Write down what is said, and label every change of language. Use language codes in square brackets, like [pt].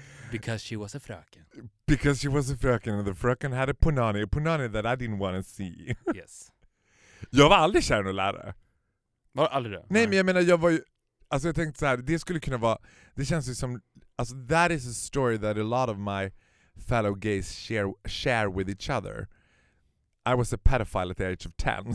[en] Because she was a fröken. Because she was a fröken and the fröken had a punani that I didn't want to see. Yes. [sv] Jag var aldrig kär i någon lärare. Var aldrig det? Nej, men jag menar, jag var ju... Alltså jag tänkte så här, det skulle kunna vara... Det känns ju som... [en] Alltså, that is a story that a lot of my fellow gays share with each other. I was a pedophile at the age of 10.